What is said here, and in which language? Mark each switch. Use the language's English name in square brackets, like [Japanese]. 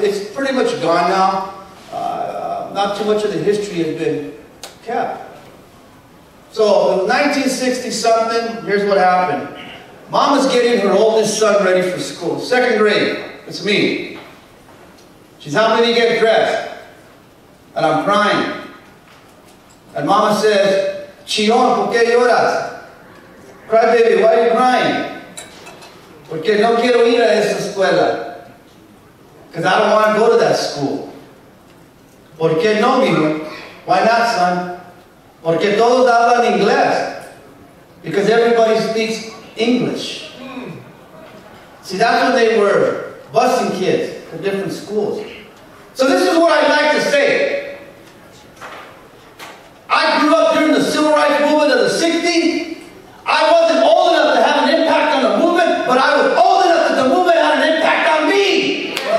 [English] It's pretty much gone now. Not too much of the history has been kept. So, 1960-something, here's what happened. Mom is getting her oldest son ready for school. Second grade, it's me. She's helping me get dressed, and I'm crying. And Mama says, Chion, ¿por qué lloras? Cry baby, why are you crying? [Spanish] Porque no quiero ir a esa escuela. [English] Because I don't want to go to that school. [Spanish] ¿Por qué no, mijo? Why not, son? Porque todos hablan inglés. [English] Because everybody speaks English. See, that's when they were busing kids to different schools. So this is what I'd like to say. I grew up during the civil rights movement of the 60s. I wasn't old enough to have an impact on the movement, but I was old enough that the movement had an impact on me.